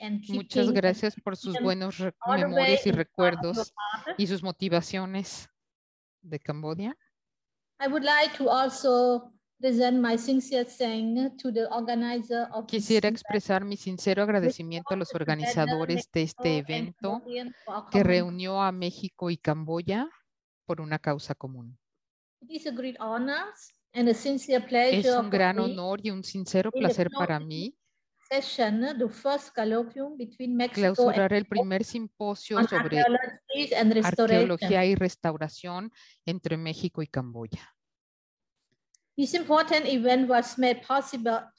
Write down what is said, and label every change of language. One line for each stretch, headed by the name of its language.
Spanish: Muchas gracias por sus buenos memorias y recuerdos y sus motivaciones de Cambodia.
English: I would like to also present my sincere thanks to the organizer of this.
Spanish: Quisiera expresar mi sincero agradecimiento a los organizadores de este evento que reunió a México y Camboya por una causa común.
English: It is a great honor and a sincere pleasure.
Spanish: Es un gran honor y un sincero placer para mí
English: session, the first colloquium between Mexico
Spanish: clausurar el primer simposio sobre arqueología y restauración entre México y Camboya.
English: This important event was made possible.